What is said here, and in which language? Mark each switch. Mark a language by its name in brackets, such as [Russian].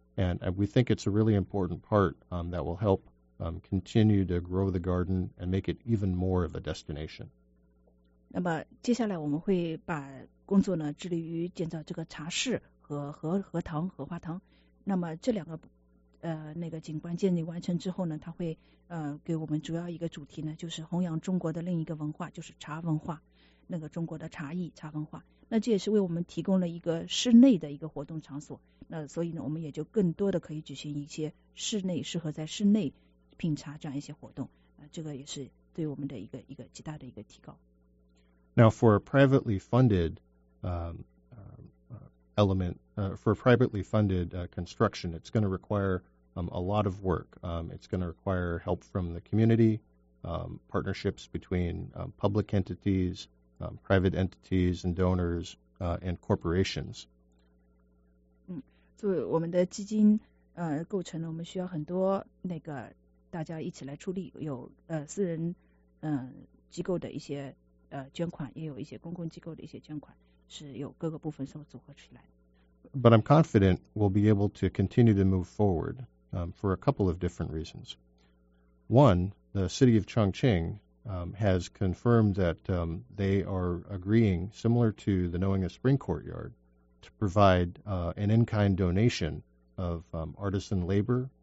[English] And we think it's a really important part that will help continue to grow the garden and make it even more of a destination. [Chinese] 那么接下来我们会把工作呢致力于建造这个茶室和荷塘、荷花塘。那么这两个那个景观建立完成之后呢，它会给我们主要一个主题呢，就是弘扬中国的另一个文化，就是茶文化，那个中国的茶艺、茶文化。那这也是为我们提供了一个室内的一个活动场所。那所以呢，我们也就更多的可以举行一些室内适合在室内品茶这样一些活动。这个也是对我们的一个极大的一个提高。 [English] Now for a privately funded element for privately funded construction, it's going to require a lot of work. It's going to require help from the community, partnerships between public entities, private entities and donors, and corporations. [Chinese] 作为我们的基金构成呢，我们需要很多那个大家一起来出力，有私人机构的一些捐款，也有一些公共机构的一些捐款，是由各个部分所组合起来。 [English] But I'm confident we'll be able to continue to move forward for a couple of different reasons. One, the city of Chongqing has confirmed that they are agreeing, similar to the Knowing the Spring Courtyard, to provide an in-kind donation of artisan labor,